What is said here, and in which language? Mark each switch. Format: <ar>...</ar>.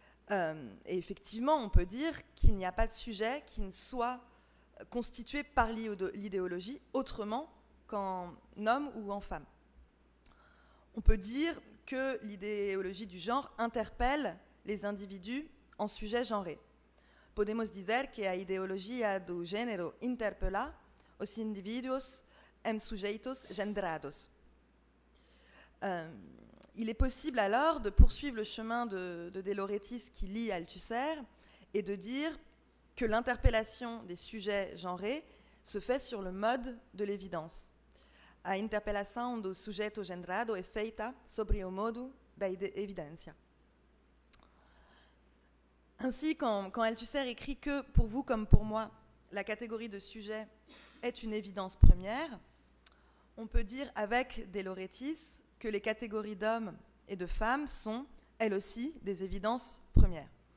<fr>Et effectivement, on peut dire qu'il n'y a pas de sujet qui ne soit constitué par l'idéologie autrement qu'en homme ou en femme. On peut dire que l'idéologie du genre interpelle les individus en sujet genré.</fr> <pt>Podemos dizer que a ideologia do gênero interpela os individuos em sujeitos gendrados.</pt> <fr>Il est possible alors de poursuivre le chemin de De Loretis qui lie Althusser et de dire que l'interpellation des sujets genrés se fait sur le mode de l'évidence.</fr> <pt>A interpelação do sujeito gendrado é feita sobre o modo da evidência.</pt> <fr>Ainsi, quand Althusser écrit que, pour vous comme pour moi, la catégorie de sujet est une évidence première, on peut dire avec De Loretis que les catégories d'hommes et de femmes sont, elles aussi, des évidences premières.</fr>